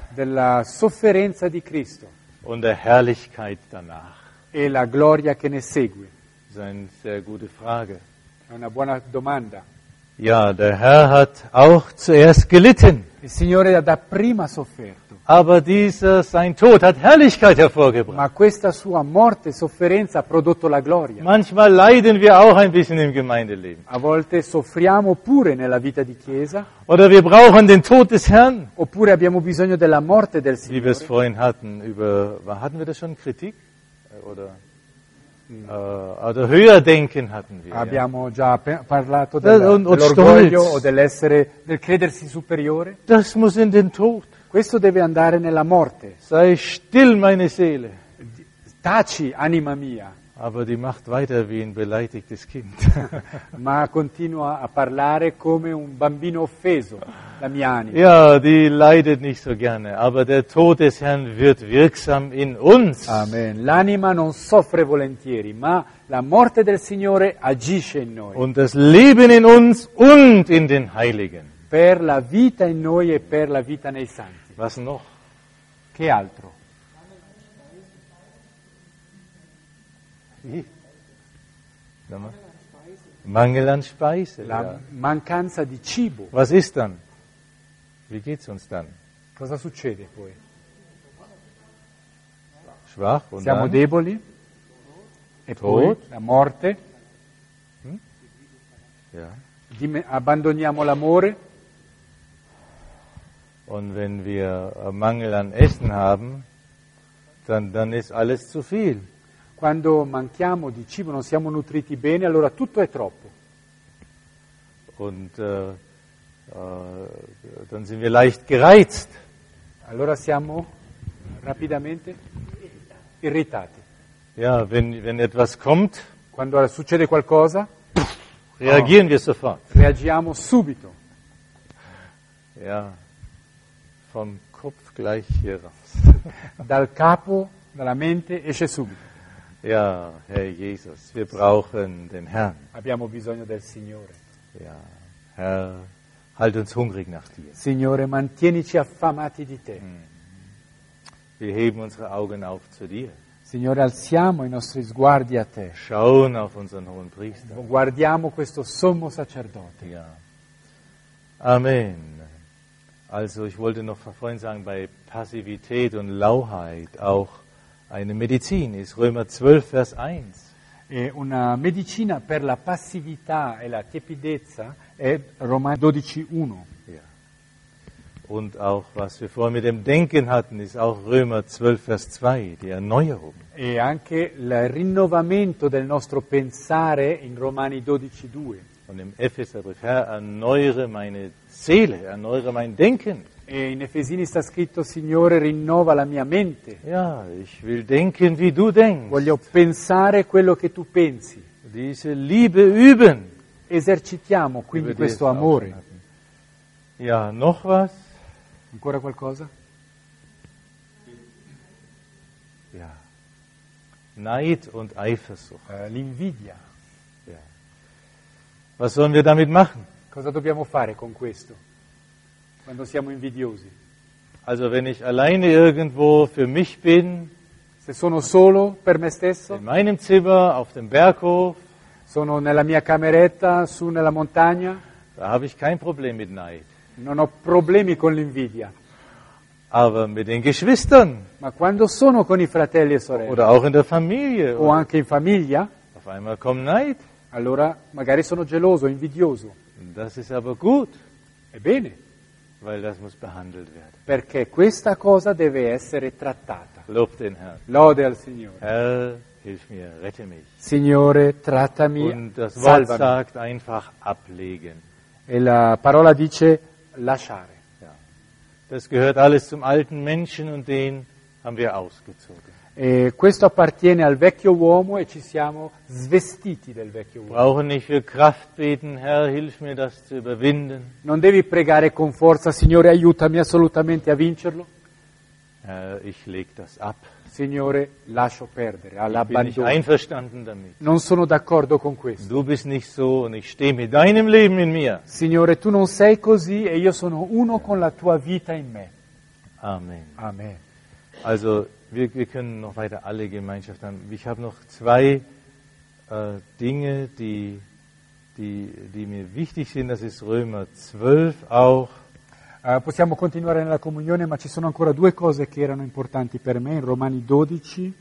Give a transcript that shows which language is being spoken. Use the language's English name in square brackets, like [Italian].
[Italian] della sofferenza di Cristo, [German] und der Herrlichkeit danach. [Italian] E la gloria che ne segue. [German] Das ist eine sehr gute Frage. [Italian] Una buona domanda. [German] Ja, der Herr hat auch zuerst gelitten. [Italian] Il Signore ha da prima sofferto. [German] Aber dieser sein Tod hat Herrlichkeit hervorgebracht. [Italian] Ma questa sua morte, sofferenza, ha prodotto la gloria. [German] Manchmal leiden wir auch ein bisschen im Gemeindeleben. [Italian] A volte soffriamo pure nella vita di chiesa. [German] Oder wir brauchen den Tod des Herrn. [Italian] Oppure abbiamo bisogno della morte del Signore. [German] Wie wir es vorhin hatten über, hatten wir das schon, Kritik? Oder? Oder höher denken hatten wir. [Italian] Abbiamo già parlato dell'orgoglio o dell'essere, del credersi superiore. [German] Das muss in den Tod. [Italian] Questo deve andare nella morte. [German] Sei still, meine Seele. [Italian] Taci, anima mia. [German] Aber die macht weiter wie ein beleidigtes Kind. [Italian] Ma continua a parlare come un bambino offeso, la mia anima. [German] Ja, die leidet nicht so gerne, aber der Tod des Herrn wird wirksam in uns. Amen. [Italian] L'anima non soffre volentieri, ma la morte del Signore agisce in noi. [German] Und das Leben in uns und in den Heiligen. [Italian] Per la vita in noi e per la vita nei Santi. [German] Was noch? [Italian] Che altro? [German] Mangel an Speise. [Italian] La mancanza di cibo. [German] Was ist dann? Wie geht's uns dann? [Italian] Cosa succede poi? [German] Schwach und [Italian] siamo [German] dann? [Italian] Deboli. E [German] Tod. [Italian] Poi la morte. [German] Ja. [Italian] Abbandoniamo l'amore. [German] Und wenn wir Mangel an Essen haben, dann ist alles zu viel. [Italian] Quando manchiamo di cibo, non siamo nutriti bene, allora tutto è troppo. [German] Und dann sind wir leicht gereizt. [Italian] Allora siamo rapidamente irritati. [German] Ja, wenn etwas kommt, [Italian] quando succede qualcosa, [German] reagieren wir sofort. [Italian] Reagiamo subito. [German] Ja, vom Kopf gleich hier raus. [Italian] Dal capo, dalla mente, esce subito. [German] Ja, Herr Jesus, wir brauchen den Herrn. [Italian] Abbiamo bisogno del Signore. [German] Ja, Herr, halt uns hungrig nach dir. [Italian] Signore, mantienici affamati di te. Mm. [German] Wir heben unsere Augen auf zu dir. [Italian] Signore, alziamo i nostri sguardi a te. [German] Schauen auf unseren hohen Priester. [Italian] Guardiamo questo sommo sacerdote. [German] Ja. Amen. Also, ich wollte noch vorhin sagen, bei Passivität und Lauheit auch eine Medizin ist Römer 12, Vers 1. [Italian] E una medicina per la passività e la tepidezza è Romani 12, 1. [German] Ja. Und auch was wir vorhin mit dem Denken hatten, ist auch Römer 12, Vers 2, die Erneuerung. [Italian] E anche il rinnovamento del nostro pensare in Romani 12, 2. [German] Und im Epheserbrief, Herr, erneuere meine Seele, erneuere mein Denken. [Italian] E in Efesini sta scritto, Signore, rinnova la mia mente. [German] Ja, ich will denken, wie du denkst. [Italian] Voglio pensare quello che tu pensi. [German] Diese Liebe üben. [Italian] Esercitiamo quindi questo amore. [German] Ja, noch was? [Italian] Ancora qualcosa? [German] Ja. Neid und Eifersucht. [Italian] L'invidia. [German] Ja. Was sollen wir damit machen? [Italian] Cosa dobbiamo fare con questo? Quando siamo invidiosi. [German] Also wenn ich alleine irgendwo für mich bin, [Italian] se sono solo per me stesso, [German] in meinem Zimmer auf dem Berghof, [Italian] sono nella mia cameretta su nella montagna, [German] da habe ich kein Problem mit Neid. [Italian] Non ho problemi con l'invidia. [German] Aber mit den Geschwistern. [Italian] Ma quando sono con i fratelli e sorelle. [German] Oder auch in der Familie. [Italian] O anche in famiglia. [German] Auf einmal kommt Neid. [Italian] Allora magari sono geloso, invidioso. [German] Das ist aber gut. [Italian] È bene. [German] Weil das muss behandelt werden. [Italian] Perché questa cosa deve essere trattata. [German] Lob den Herrn. [Italian] Lode al Signore. [German] Herr, hilf mir, rette mich. [Italian] Signore, trattami, salvami. [German] Und das Wort sagt einfach ablegen. [Italian] E la parola dice lasciare. [German] Ja. Das gehört alles zum alten Menschen und den haben wir ausgezogen. [Italian] Questo appartiene al vecchio uomo e ci siamo svestiti del vecchio uomo. [German] Brauche nicht für Kraft beten, Herr, hilf mir das zu überwinden. [Italian] Non devi pregare con forza, Signore, aiutami assolutamente a vincerlo. [German] Ich leg das ab. [Italian] Signore, lascio perdere, all'abbandono. [German] Ich bin nicht einverstanden damit. [Italian] Non sono d'accordo con questo. [German] Du bist nicht so und ich stehe mit deinem Leben in mir. [Italian] Signore, tu non sei così e io sono uno con la tua vita in me. Amen. Amen. [German] Also, wir können noch weiter alle Gemeinschaft haben. Ich habe noch zwei Dinge, die mir wichtig sind. Das ist Römer 12 auch. [Italian] Possiamo continuare nella comunione, ma ci sono ancora due cose che erano importanti per me in Romani 12.